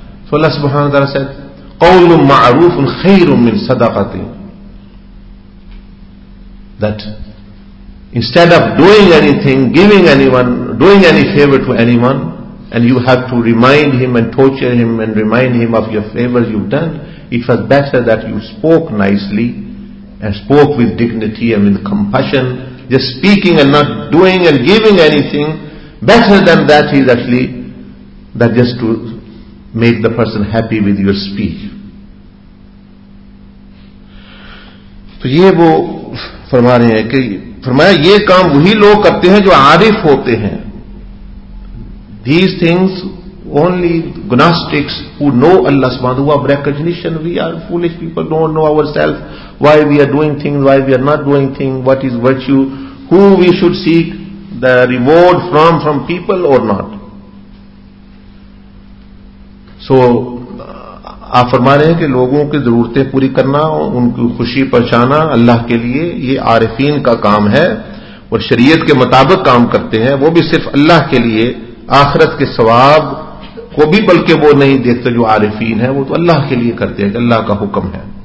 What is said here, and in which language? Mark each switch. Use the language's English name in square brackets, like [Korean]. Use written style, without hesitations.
[English] So Allah subhanahu wa ta'ala said [Arabic] قَوْلٌ مَعْرُوفٌ خَيْرٌ مِّن صَدَقَةٍ, [English] that instead of doing anything, giving anyone, doing any favor to anyone, and you have to remind him and torture him and remind him of your favors you've done, it was better that you spoke nicely and spoke with dignity and with compassion. Just speaking and not doing and giving anything, better than that is actually that just to make the person happy with your speech. [Urdu] تو یہ وہ فرما رہے ہیں کہ فرمایا یہ کام وہی لوگ کرتے ہیں جو عارف ہوتے ہیں. [English] These things only gnostics who know Allah سبحانہ وتعالیٰ recognition. We are foolish people, don't know ourselves, why we are doing things, why we are not doing things, what is virtue, who we should seek the reward from people or not. [Urdu] So آپ فرما رہے ہیں کہ لوگوں کی ضرورتیں پوری کرنا، ان کی خوشی پہنچانا اللہ کے لیے، یہ عارفین کا کام ہے اور شریعت کے مطابق کام کرتے ہیں، وہ بھی صرف اللہ کے لیے، آخرت کے ثواب کو بھی بلکہ وہ نہیں دیکھتے جو عارفین ہیں، وہ تو اللہ کے لیے کرتے ہیں کہ اللہ کا حکم ہے.